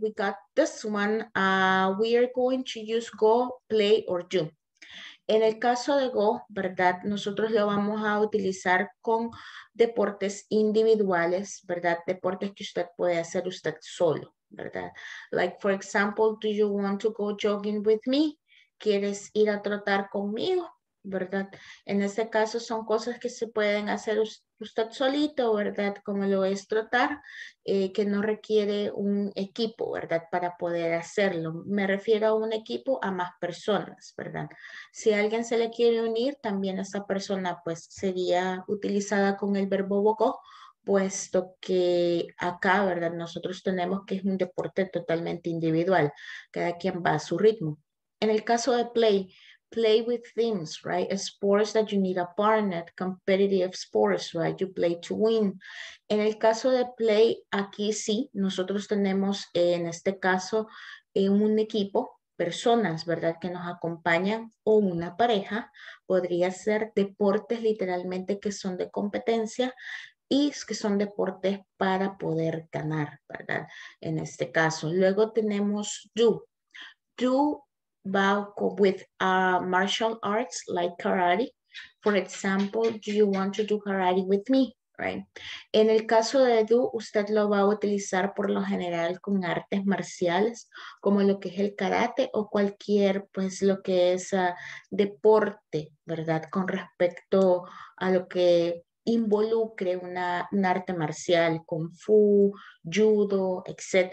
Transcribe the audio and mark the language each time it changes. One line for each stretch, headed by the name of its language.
English: We got this one. We are going to use go, play, or do.
Spanish: En el caso de go, ¿verdad? Nosotros lo vamos a utilizar con deportes individuales, ¿verdad? Deportes que usted puede hacer usted solo, ¿verdad?
English: Like, for example, do you want to go jogging with me?
Spanish: ¿Quieres ir a trotar conmigo? ¿Verdad? En este caso son cosas que se pueden hacer usted solito, ¿verdad? Como lo es trotar, que no requiere un equipo, ¿verdad? Para poder hacerlo. Me refiero a un equipo, a más personas, ¿verdad? Si alguien se le quiere unir, también esa persona pues sería utilizada con el verbo go, puesto que acá, ¿verdad? Nosotros tenemos que es un deporte totalmente individual. Cada quien va a su ritmo. En el caso de play,
English: play with things, right? Sports that you need a partner, competitive sports, right? You play to win.
Spanish: En el caso de play, aquí sí, nosotros tenemos en este caso un equipo, personas, ¿verdad? Que nos acompañan o una pareja. Podría ser deportes literalmente que son de competencia y que son deportes para poder ganar, ¿verdad? En este caso. Luego tenemos do. Do va
English: with martial arts like karate. For example, do you want to do karate with me? Right.
Spanish: En el caso de do, usted lo va a utilizar por lo general con artes marciales, como lo que es el karate o cualquier, pues, lo que es deporte, ¿verdad? Con respecto a lo que involucre un arte marcial, kung fu, judo, etc.